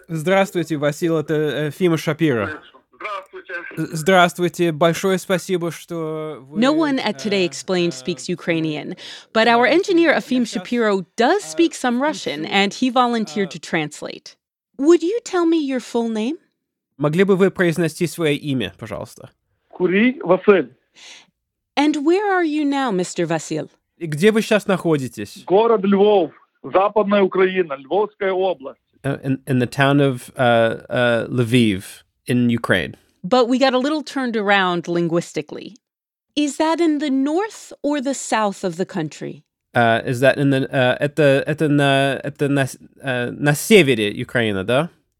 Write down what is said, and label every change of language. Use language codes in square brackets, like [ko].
[ru] Здравствуйте, Васил, это Фима Шапира. Здравствуйте. Здравствуйте, большое спасибо, что вы... [en] No one at Today Explained speaks Ukrainian, but our engineer Afim Shapiro does speak some Russian, and he volunteered to translate. Would you tell me your full name? [ru] Могли бы вы произнести свое имя, пожалуйста? Кури Василь. [en] And where are you now, Mr. Vasil? [ru] И где вы сейчас находитесь? Город Львов, Западная Украина, Львовская область. [en] In the town of Lviv in Ukraine. But we got a little turned around linguistically. Is that in the north or the south of the country? Is that in the [ru] на севере Украины, да?